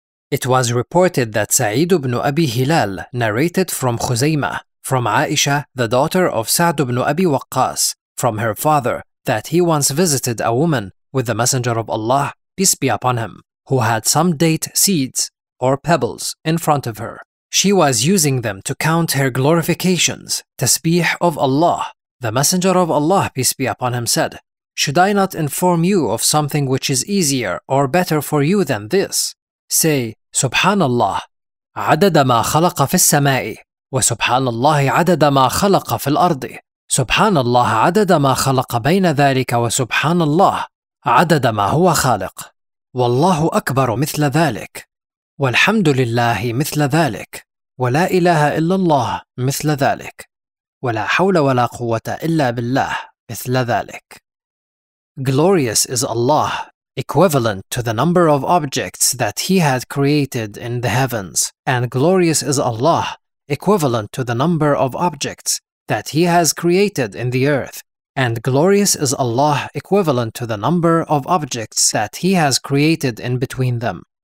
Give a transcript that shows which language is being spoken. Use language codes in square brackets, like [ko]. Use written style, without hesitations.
[en] It was reported that Sa'id ibn Abi Hilal narrated from Khuzayma, from Aisha, the daughter of Sa'd ibn Abi Waqqas, from her father, that he once visited a woman with the Messenger of Allah, peace be upon him, who had some date seeds or pebbles in front of her. She was using them to count her glorifications, tasbih of Allah. The Messenger of Allah, peace be upon him, said, should I not inform you of something which is easier or better for you than this? Say, [ar] Subhanallah, عدد ما خلق في السماء وسبحان الله عدد ما خلق في الأرض سبحان الله عدد ما خلق بين ذلك وسبحان الله عدد ما هو خالق والله أكبر مثل ذلك والحمد لله مثل ذلك ولا إله إلا الله مثل ذلك ولا حول ولا قوة إلا بالله مثل ذلك. [en] Glorious is Allah, equivalent to the number of objects that He had created in the heavens, and glorious is Allah, equivalent to the number of objects that He has created in the earth, and glorious is Allah, equivalent to the number of objects that He has created in between them,